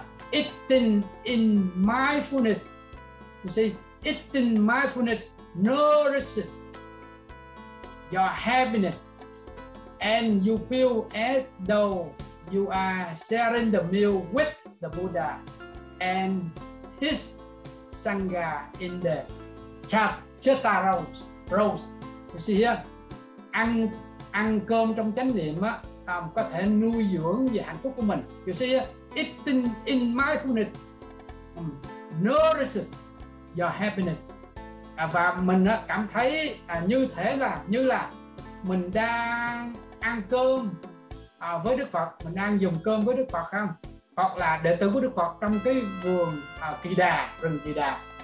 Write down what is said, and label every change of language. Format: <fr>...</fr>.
<en>Eating in mindfulness, you see, eating mindfulness nourishes your happiness and you feel as though you are sharing the meal with the Buddha and his Sangha in the Chata Rose. You see here,</en> <vi>ăn cơm trong chánh niệm có thể nuôi dưỡng về hạnh phúc của mình.</vi> <en>You see here, eating in mindfulness nourishes your happiness.</en> <vi>Và mình cảm thấy như thế là như là mình đang ăn cơm với Đức Phật, mình đang dùng cơm với Đức Phật không? Hoặc là đệ tử của Đức Phật trong cái vườn kỳ đà, rừng kỳ đà.</vi>